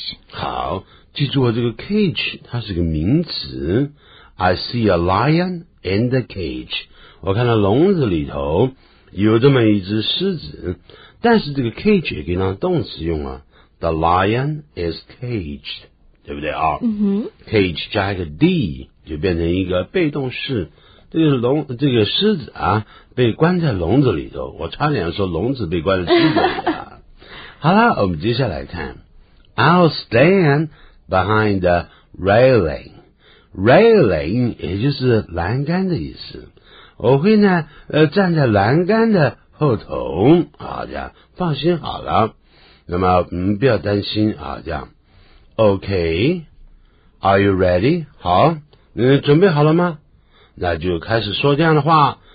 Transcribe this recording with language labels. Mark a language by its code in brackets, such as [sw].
[zh] 好，记住了，这个 cage, 它是个名词。 [en] I see a lion in the cage. [zh] 我看到笼子里头有这么一只狮子，但是这个 cage 也可以当动词用啊。 [en] The lion is caged， 对不对啊？嗯哼。 [zh] Cage 加一个 d 就变成一个被动式，这个笼这个狮子啊被关在笼子里头。我差点说笼子被关在狮子里头。好啦，我们接下来看 [en] ，I'll stand behind the railing。 [zh] Railing 也就是栏杆的意思。我会呢站在栏杆的后头啊，这样放心好了，那么不要担心啊，这样 OK [en] Are you ready? [zh] 好，你准备好了吗？那就开始说这样的话。